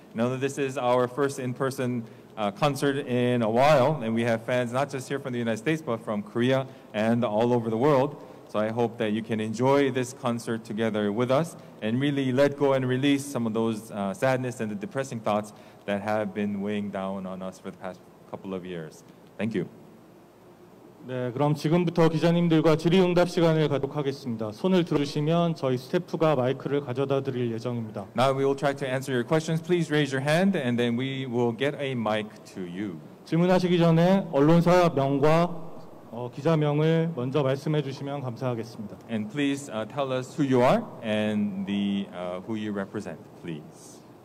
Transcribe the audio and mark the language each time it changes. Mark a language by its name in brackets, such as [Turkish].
[English] Now that this is our first in-person concert in a while, and we have fans not just here from the United States, but from Korea and all over the world. So I hope that you can enjoy this concert together with us and really let go and release some of those sadness and the depressing thoughts that have been weighing down on us for the past couple of years. Thank you. [Korean] 네, 그럼 지금부터 기자님들과 질의응답 시간을 갖도록 하겠습니다. 손을 들으시면 저희 스태프가 마이크를 가져다 드릴 예정입니다. [English] Now we will try to answer your questions. Please raise your hand and then we will get a mic to you. [Korean] 질문하시기 전에 언론사 명과 기자 명을 먼저 말씀해 주시면 감사하겠습니다. [English] And please tell us who you are and the who you represent, please.